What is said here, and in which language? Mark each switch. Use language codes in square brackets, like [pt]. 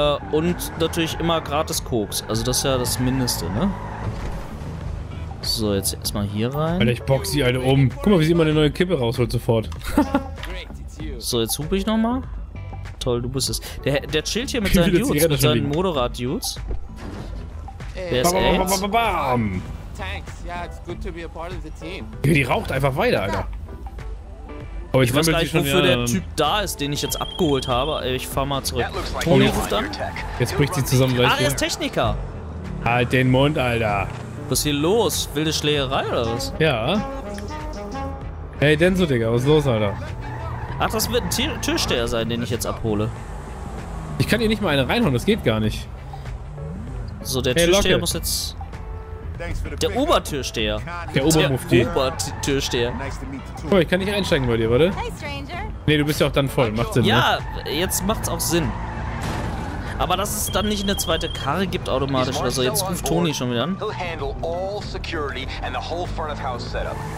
[de] Und natürlich immer gratis Koks. Also das ist ja das Mindeste, ne? So, jetzt erstmal hier rein. Alter, ich box sie alle um. Guck mal, wie sie immer eine neue Kippe rausholt sofort. So, jetzt hupe ich nochmal. Toll, du bist es. Der chillt hier mit seinen Dudes, mit seinen Motorrad-Dudes. Der ist AIDS. Bam. [en] Thanks, yeah, it's good to be a part of the team. [de] Die raucht einfach weiter, Alter. Aber ich weiß gar nicht, wofür der Typ da ist, den ich jetzt abgeholt habe. Ich fahr mal zurück. Tony ruft an. Jetzt bricht sie zusammen gleich. Ah, er ist Techniker. Halt den Mund, Alter. Was ist hier los? Wilde Schlägerei oder was? Ja. Hey, Denso, Digga, was ist los, Alter? Ach, das wird ein Türsteher sein, den ich jetzt abhole. Ich kann hier nicht mal eine reinhauen, das geht gar nicht. So, der Türsteher muss jetzt... Der Obertürsteher. Der Obermufti. Der Obertürsteher. Guck mal, ich kann nicht einsteigen bei dir, warte. Nee, du bist ja auch dann voll, macht Sinn, ja, ne? Ja, jetzt macht's auch Sinn. Aber dass es dann nicht eine zweite Karre gibt automatisch, also jetzt ruft Tony schon wieder an. [en] He'll handle all security and the whole front of house setup.